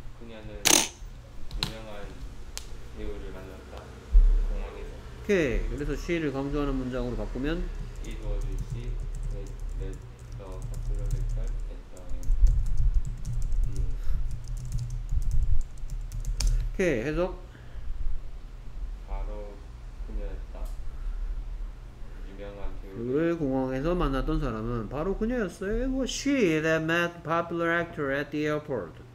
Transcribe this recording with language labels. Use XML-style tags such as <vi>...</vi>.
<ko>그녀는 유명한 배우를 만났다. 공항에서. 오케이. 그래서 she를 강조하는 문장으로 바꾸면</ko> <en>it was she that met the popular actor at the airport.</en> <ko>오케이. 해석. 바로 그녀였다. 유명한 그 공항에서 만났던 사람은 바로 그녀였어요.</ko> <en>It was she that met popular actor at the airport.</en>